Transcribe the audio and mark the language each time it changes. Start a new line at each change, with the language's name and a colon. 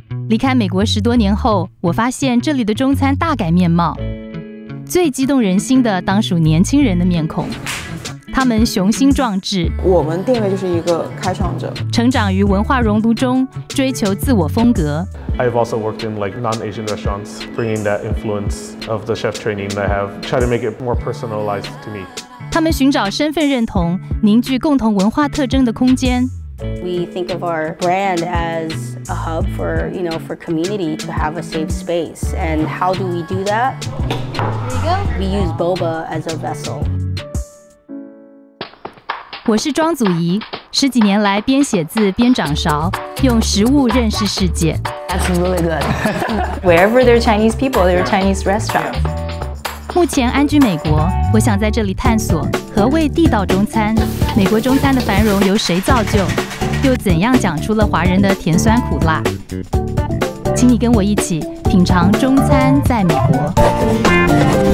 Chinese: 离开美国十多年后，我发现这里的中餐大改面貌。最激动人心的当属年轻人的面孔，他们雄心壮志。我们定位就是一个开创者，成长于文化熔炉中，追求自我风格。
English: I've also worked in like non-Asian restaurants, bringing that influence of the chef training that I have, try to make it more personalized to me.
Chinese: 他们寻找身份认同，凝聚共同文化特征的空间。
English: We think of our brand as a hub for, you know, for community to have a safe space. And how do we do that? Here you go. We use boba as a vessel.
Chinese: 我是庄祖仪，十几年来边写字边掌勺，用食物认识世界。
English: That's really good. Wherever there are Chinese people, there are Chinese restaurants.
Chinese: 目前安居美国，我想在这里探索何谓地道中餐，美国中餐的繁荣由谁造就，又怎样讲出了华人的甜酸苦辣。请你跟我一起品尝中餐在美国。